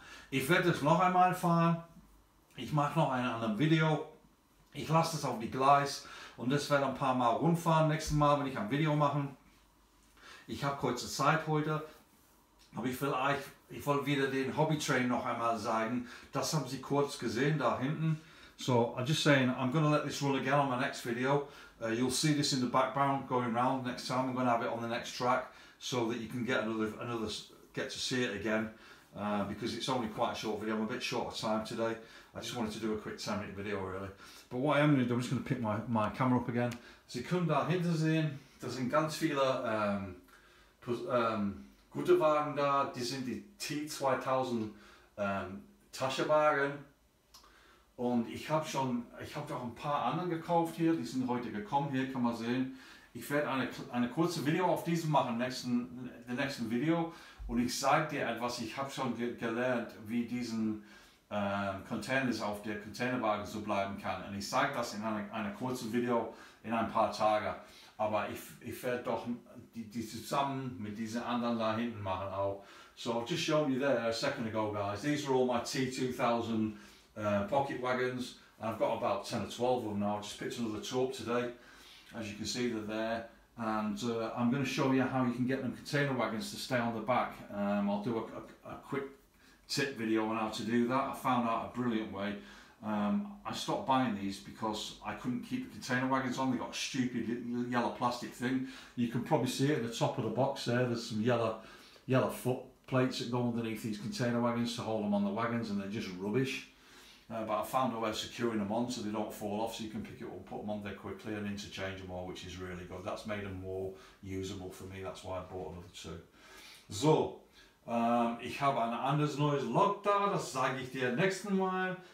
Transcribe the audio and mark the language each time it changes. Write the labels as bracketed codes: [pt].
[de] Ich werde es noch einmal fahren. Ich mache noch einen anderen Video. Ich lasse das auf die Gleis und das werde ein paar Mal rumfahren. Nächstes Mal, wenn ich ein Video machen. Ich habe kurze Zeit heute. Aber ich will euch, ich wollte wieder den Hobby Train noch einmal zeigen. Das haben Sie kurz gesehen da hinten. [en] So, I'm just saying, I'm going to let this run again on my next video. You'll see this in the background going round next time. I'm going to have it on the next track so that you can get another get to see it again because it's only quite a short video. I'm a bit short of time today. I just wanted to do a quick 10-minute video really. But what I am going to do, I'm just going to pick my camera up again. [de] Sie können da hinten sehen, da sind ganz viele gute Wagen da, die sind die T2000 Taschewagen und ich habe auch ein paar andere gekauft hier, die sind heute gekommen, hier kann man sehen. Ich werde eine kurze Video auf diesem machen, im nächsten Video, Und ich sage dir etwas, ich habe schon gelernt, wie diesen Containers auf der Containerwagen so bleiben kann. Und ich sage das in einer kurzen Video in ein paar Tagen. Aber ich werde doch die zusammen mit diesen anderen da hinten machen auch. [en] So I've just shown you there a second ago, guys. These are all my T2000 pocket wagons. And I've got about 10 or 12 of them now. I just picked another two up today. As you can see, they're there. And I'm going to show you how you can get them container wagons to stay on the back. I'll do a quick tip video on how to do that. I found out a brilliant way. I stopped buying these because I couldn't keep the container wagons on. They got a stupid yellow plastic thing. You can probably see it at the top of the box there. There's some yellow foot plates that go underneath these container wagons to hold them on the wagons, and they're just rubbish. But I found a way of securing them on so they don't fall off, so you can pick it up, put them on there quickly and interchange them all, which is really good. That's made them more usable for me. That's why I bought another two. [de] So, ich habe ein anderes neues Log da, das sage ich dir nächsten Mal.